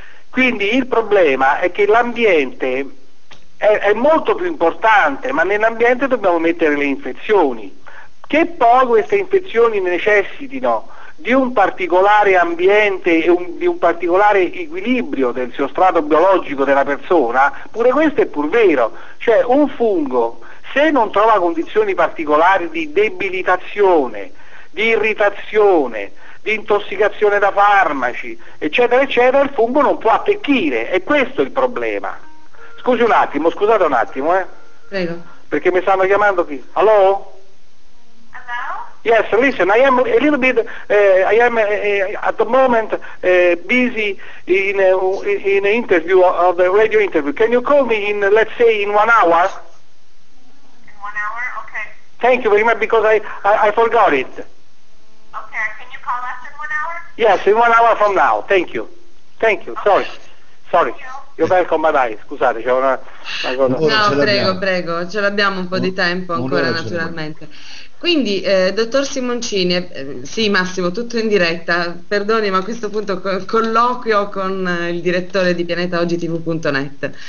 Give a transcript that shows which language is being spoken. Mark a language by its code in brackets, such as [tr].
[it] Quindi il problema è che l'ambiente è molto più importante, ma nell'ambiente dobbiamo mettere le infezioni, che poi queste infezioni necessitino di un particolare ambiente e di un particolare equilibrio del suo strato biologico della persona, pure questo è pur vero, cioè un fungo se non trova condizioni particolari di debilitazione, di irritazione, di intossicazione da farmaci, eccetera eccetera, il fungo non può attecchire, e questo è il problema. Scusi un attimo, scusate un attimo, Prego. Perché mi stanno chiamando qui. Allo? [en] Yes, listen, I am a little bit, I am at the moment busy in an interview, of the radio interview. Can you call me in, let's say, in 1 hour? In 1 hour, okay. Thank you very much, because I forgot it. Okay, can you call us in 1 hour? Yes, in 1 hour from now, thank you. Thank you, okay. Sorry. Thank you. [it] Io vengo, ma dai, scusate, c'è una cosa. No, prego, ce l'abbiamo un po' di tempo ancora, naturalmente. Quindi, dottor Simoncini, sì, Massimo, tutto in diretta, perdoni, ma a questo punto colloquio con il direttore di PianetaOggiTV.net.